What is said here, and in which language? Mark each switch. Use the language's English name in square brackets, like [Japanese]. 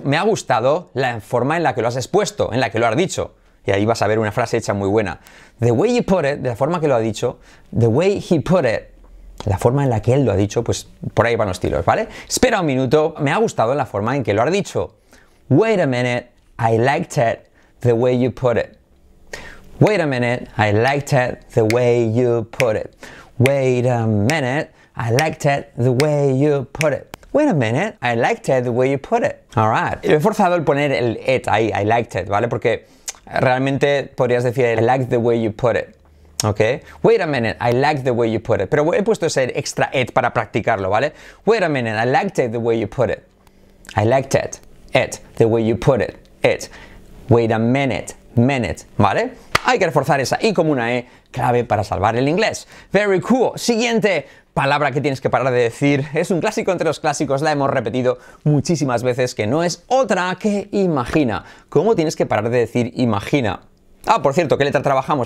[Spanish] Me ha gustado la forma en la que lo has expuesto, en la que lo has dicho. Y ahí vas a ver una frase hecha muy buena. The way he put it, de la forma que lo ha dicho, the way he put it, la forma en la que él lo ha dicho, pues por ahí van los tiros, ¿vale? Espera un minuto. Me ha gustado la forma en que lo has dicho. [English] Wait a minute, I liked it the way you put it. Wait a minute, I liked it the way you put it. Wait a minute, I liked it the way you put it. Wait a minute, I liked it the way you put it. Alright. [Spanish] He forzado el poner el it ahí, I liked it, ¿vale? Porque realmente podrías decir I liked the way you put it, ¿ok? [English] Wait a minute, I liked the way you put it. [Spanish] Pero he puesto ese extra it para practicarlo, ¿vale? [English] Wait a minute, I liked it the way you put it. I liked it, it, the way you put it, it. Wait a minute, minute, ¿vale? [Spanish] Hay que reforzar esa I como una E, clave para salvar el inglés. Very cool. Siguiente palabra que tienes que parar de decir. Es un clásico entre los clásicos, la hemos repetido muchísimas veces, que no es otra que imagina. ¿Cómo tienes que parar de decir imagina? Ah, por cierto, ¿qué letra trabajamos?